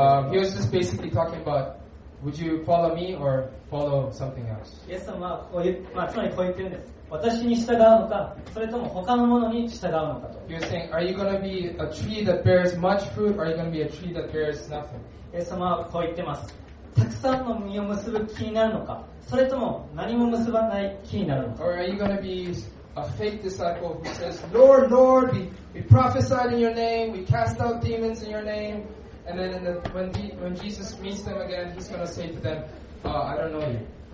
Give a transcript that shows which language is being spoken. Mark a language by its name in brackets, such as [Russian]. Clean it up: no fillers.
[English] He was just basically talking about, would you follow me or follow something else? [Japanese] イエス様はこういう、まあ、つまりこう言ってるんです。私に従うのか、それとも他のものに従うのかと。 [English] He was saying, are you going to be a tree that bears much fruit, or are you going to be a tree that bears nothing? [Japanese] イエス様はこう言ってます。たくさんの実を結ぶ木になるのか、それとも何も結ばない木になるのか。 [English] Or are you going to be A fake disciple who says, Lord, Lord, we prophesied in your name, we cast out demons in your name, and then when Jesus meets them again, he's going to say to them, I don't know you.